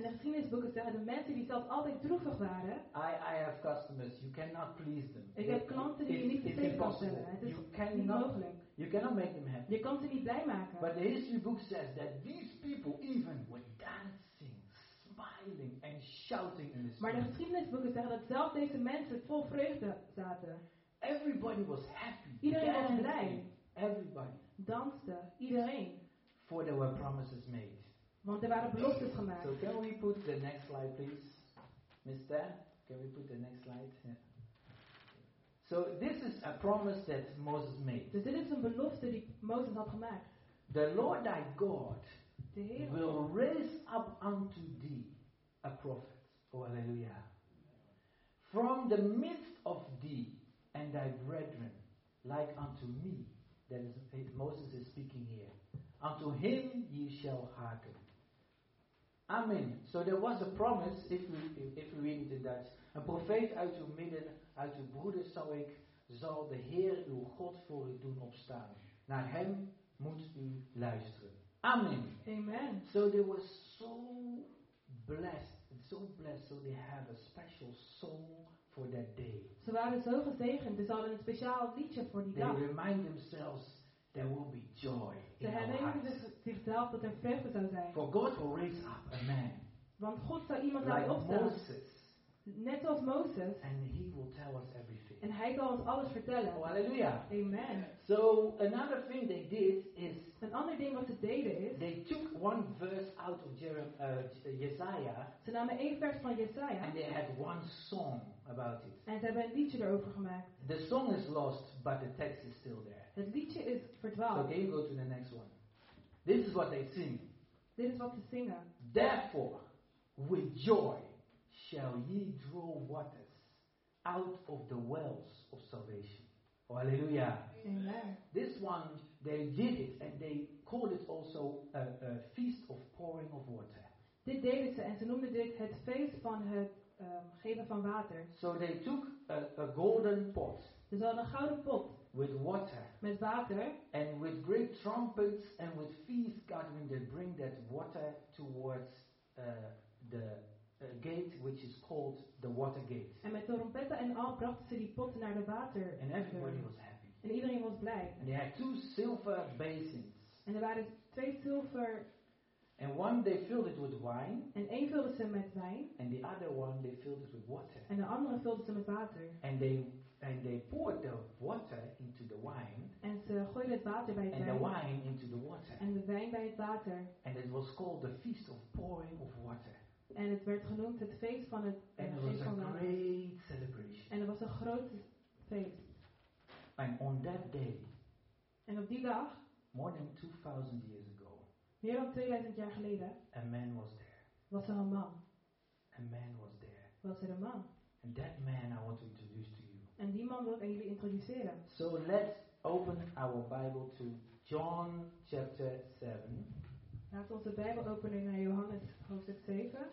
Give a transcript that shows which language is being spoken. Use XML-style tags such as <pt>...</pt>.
<nl>En de geschiedenisboeken zeggen de mensen die zelfs altijd droevig waren.</nl> <en>I have customers, you cannot please them.</en> <nl>Ik heb klanten die je niet te veel kan stellen. Het is niet mogelijk.</nl> <en>You cannot make them happy.</en> <nl>Je kan ze niet blij maken.</nl> <en>But the history book says that these people even were dancing, smiling and shouting in the street.</en> <nl>Maar de geschiedenisboeken zeggen dat zelfs deze mensen vol vreugde zaten.</nl> <en>Everybody was happy.</en> <nl>Iedereen was blij.</nl> <en>Everybody.</en> <nl>Danste. Iedereen.</nl> <en>For there were promises made.</en> <nl>Want er waren beloftes gemaakt.</nl> <en>So can we put the next slide, please? Mister, can we put the next slide? Yeah. So this is a promise that Moses made.</en> <nl>Dus dit is een belofte die Mozes had gemaakt.</nl> <en>The Lord thy God will raise up unto thee a prophet. Oh, hallelujah. From the midst of thee and thy brethren, like unto me. That is Moses is speaking here. Unto him ye shall hearken. Amen. So there was a promise, if we read it in Dutch.</en> <nl>Een profeet uit uw midden, uit uw broeders zal ik, zal de Heer uw God voor u doen opstaan. Naar hem moet u luisteren. Amen. Amen.</nl> <en>So they were so blessed, so blessed, so they have a special song for that day.</en> <nl>Ze waren zo gezegend, dus hadden een speciaal liedje voor die</nl> <en>they</en> <nl>dag.</nl> <en>They remind themselves. There will be joy</en> <nl>ze</nl> <en>in</en> <nl>herinneren zichzelf dat er vreugde zou zijn.</nl> <en>For God will raise up a man.</en> <nl>Want God zal iemand</nl> <en>like</en> <nl>daar opstaan.</nl> <en>Moses.</en> <nl>Net als Moses.</nl> <en>And he will tell us everything.</en> <nl>En hij zal ons alles vertellen. Oh, halleluja. Amen.</nl> <en>So another thing they did is.</en> <nl>Een ander ding wat ze deden is.</nl> <en>They took one verse out of Jesaja.</en> <nl>Ze namen één vers van Jesaja.</nl> <en>And they had one song about it.</en> <nl>En ze hebben een liedje erover gemaakt.</nl> <en>The song is lost, but the text is still there.</en> <nl>Het liedje is verdwaald.</nl> <en>Okay, go to the next one. This is what they sing.</en> <nl>Dit is wat ze zingen.</nl> <en>Therefore, with joy, shall ye draw waters out of the wells of salvation. Oh, hallelujah. Amen. This one they did it and they called it also a feast of pouring of water.</en> <nl>Dit deden ze en ze noemden dit het feest van het geven van water.</nl> <en>So they took a golden pot.</en> <nl>Dus hadden een gouden pot.</nl> <en>With water.</en> <nl>Met water.</nl> <en>And with great trumpets and with feast gathering they bring that water towards the gate which is called the water gate.</en> <nl>En met trompetten en al brachten ze die pot naar de water.</nl> <en>And everybody was happy.</en> <nl>En iedereen was blij.</nl> <en>And they had two silver basins.</en> <nl>En er waren twee zilver.</nl> <en>And one they filled it with wine.</en> <nl>En één vulden ze met wijn.</nl> <en>And the other one they filled it with water.</en> <nl>En de andere vulden ze met water.</nl> <en>And they poured the water into the wine.</en> <nl>En ze gooiden het water bij het wijn.</nl> <en>And the wine into the water.</en> <nl>En de wijn bij het water.</nl> <en>And it was called the feast of pouring of water.</en> <nl>En het werd genoemd het feest van het water.</nl> <en>And it was a great celebration.</en> <nl>En het was een groot feest.</nl> <en>And on that day.</en> <nl>En op die dag.</nl> <en>More than 2000 years ago.</en> <nl>Meer dan 2000 jaar geleden.</nl> <en>A man was there.</en> <nl>Was er een man.</nl> <en>A man was there.</en> <nl>Was er een man.</nl> <en>And that man I want to introduce to you.</en> <nl>En die man wil ik aan jullie introduceren.</nl> <en>So let's open our Bible to John chapter 7.</en> <nl>Laat onze Bijbel openen naar Johannes hoofdstuk 7.</nl>